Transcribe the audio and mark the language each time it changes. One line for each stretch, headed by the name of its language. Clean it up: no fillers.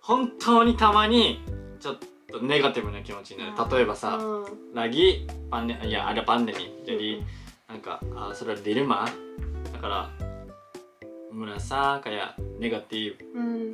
Japanese: 本当にたまに ちょっと ネガティブな気持ちになる. 例えばさ
Indonesian: lagi ada pandemi. Jadi
Japanese: なんか それは
Indonesian: dilema.
Japanese: だから
Indonesian: merasa kayak negatif.